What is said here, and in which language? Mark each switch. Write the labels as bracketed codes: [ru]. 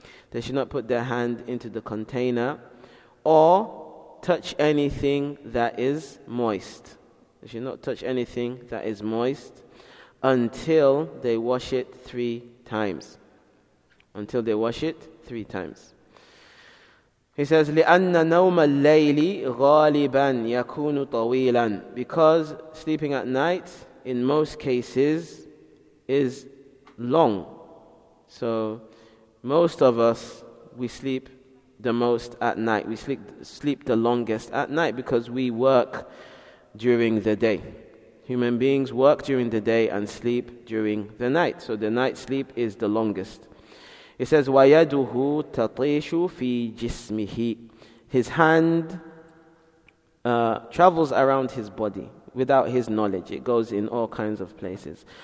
[en] They should not put their hand into the container or touch anything that is moist. They should not touch anything that is moist until they wash it 3 times. Until they wash it 3 times. He says, [ar] لِأَنَّ نَوْمَ اللَّيْلِ غَالِبًا يَكُونُ طَوِيلًا. [en] Because sleeping at night, in most cases, is long. So most of us, we sleep the most at night. We sleep the longest at night because we work during the day. Human beings work during the day and sleep during the night. So the night sleep is the longest. It says, [ar] وَيَدُهُ تَطِيشُ فِي جِسْمِهِ. [en] His hand travels around his body without his knowledge. It goes in all kinds of places.